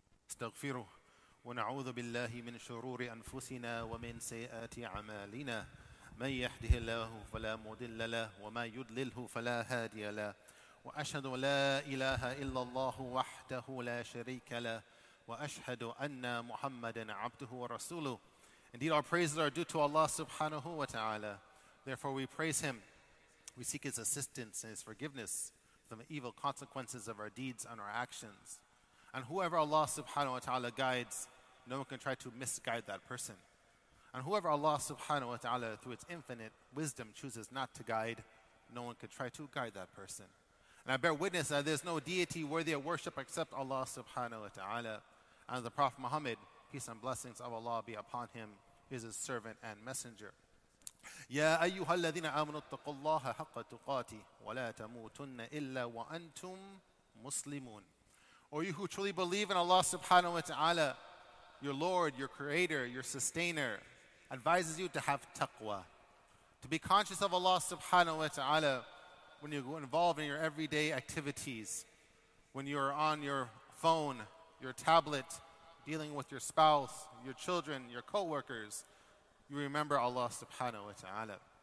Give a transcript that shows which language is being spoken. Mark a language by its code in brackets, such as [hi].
[ar] استغفره ونعوذ بالله من شرور أنفسنا ومن سيئات أعمالنا، من يهده الله فلا مضل له، وما يضلله فلا هادي له. وأشهد لا إله إلا الله وحده لا شريك له، وأشهد أن محمدا عبده ورسوله. [en] Indeed, our praises are due to Allah subhanahu wa ta'ala. Therefore, we praise Him. We seek His assistance and His forgiveness from the evil consequences of our deeds and our actions. And whoever Allah subhanahu wa ta'ala guides, no one can try to misguide that person. And whoever Allah subhanahu wa ta'ala through its infinite wisdom chooses not to guide, no one can try to guide that person. And I bear witness that there's no deity worthy of worship except Allah subhanahu wa ta'ala. And the Prophet Muhammad, peace and blessings of Allah be upon him, is his servant and messenger. [ar] يا أيها الذين آمنوا اتقوا الله حق تقاته ولا تموتن إلا وأنتم مسلمون. [en] Or you who truly believe in Allah subhanahu wa ta'ala, your Lord, your Creator, your Sustainer, advises you to have taqwa, to be conscious of Allah subhanahu wa ta'ala when you're involved in your everyday activities, when you're on your phone, your tablet, dealing with your spouse, your children, your co-workers, you remember Allah subhanahu wa ta'ala.